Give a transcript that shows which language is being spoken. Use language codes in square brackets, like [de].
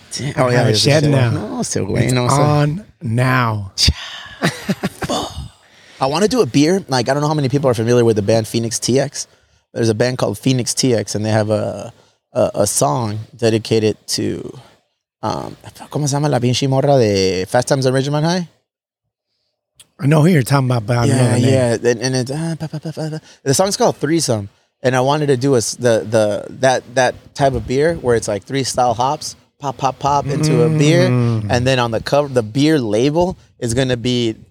[en] Damn. Oh, yeah. He has a shed now. No, still waiting. It's on now. I want to do a beer. Like, I don't know how many people are familiar with the band Phoenix TX. There's a band called Phoenix TX, and they have a song dedicated to... [es] ¿Cómo se llama la pinche morra de Fast Times at Ridgemont High? [en] I know who you're talking about, but I don't yeah, know the yeah. name. Yeah, and it's... The song's called Threesome, and I wanted to do that type of beer where it's like three style hops, pop, pop, pop into a beer, and then on the cover, the beer label is going to be...